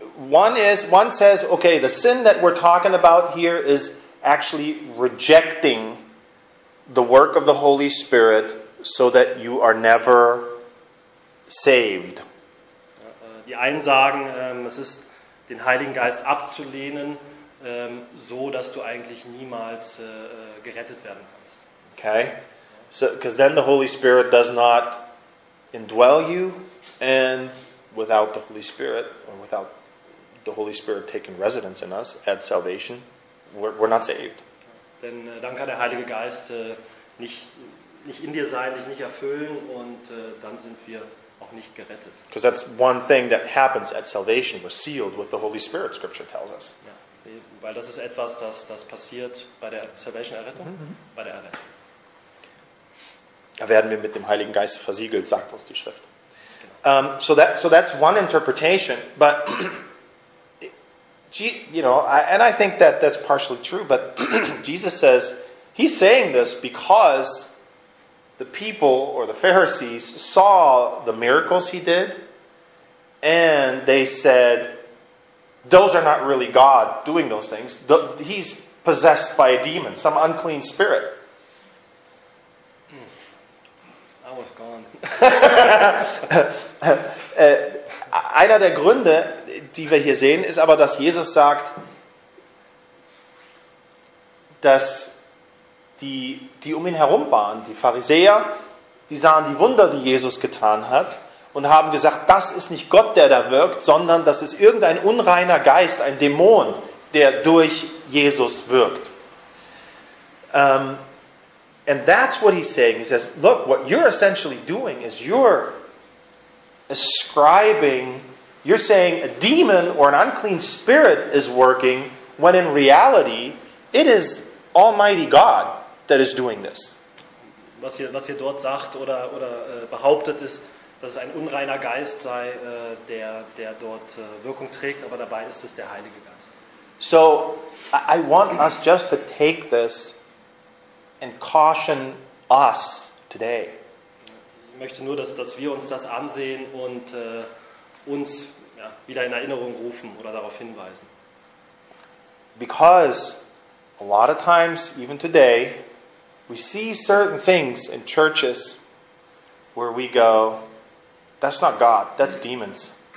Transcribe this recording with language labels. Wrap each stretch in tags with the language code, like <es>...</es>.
<en>One says, okay, the sin that we're talking about here is actually rejecting the work of the Holy Spirit so that you are never saved.</en> <de>Die einen sagen, es ist den Heiligen Geist abzulehnen, so dass du eigentlich niemals gerettet werden kannst.</de> <en>Okay, so because then the Holy Spirit does not indwell you, and without the Holy Spirit, or without the Holy Spirit taking residence in us at salvation, we're not saved.</en> <de>Denn dann kann der Heilige Geist nicht in dir sein, dich nicht erfüllen, und dann sind wir auch nicht gerettet.</de> <en>Because that's one thing that happens at salvation, we're sealed with the Holy Spirit, Scripture tells us.</en> <de>Ja, weil das ist etwas, das passiert bei der Salvation-Errettung, bei der Errettung. Da werden wir mit dem Heiligen Geist versiegelt, sagt uns die Schrift.</de> <en>So that's one interpretation, but I think that that's partially true, but Jesus says, he's saying this because the people or the Pharisees saw the miracles he did and they said, those are not really God doing those things. He's possessed by a demon, some unclean spirit. I was gone.</en> <de>Einer der Gründe, die wir hier sehen, ist aber, dass Jesus sagt, dass die um ihn herum waren, die Pharisäer, die sahen die Wunder, die Jesus getan hat, und haben gesagt, das ist nicht Gott, der da wirkt, sondern das ist irgendein unreiner Geist, ein Dämon, der durch Jesus wirkt.</de> <en>And that's what he's saying. He says, look, what you're essentially doing is you're ascribing, you're saying a demon or an unclean spirit is working, when in reality it is Almighty God that is doing this.</en> <de>Was ihr dort sagt oder behauptet, ist, dass es ein unreiner Geist sei, der dort Wirkung trägt, aber dabei ist es der Heilige Geist.</de> <en>So I want us just to take this and caution us today.</en> <de>Ich möchte nur, dass wir uns das ansehen und uns wieder in Erinnerung rufen oder darauf hinweisen.</de> <en>Because a lot of times, even today, we see certain things in churches where we go, that's not God, that's demons.</en>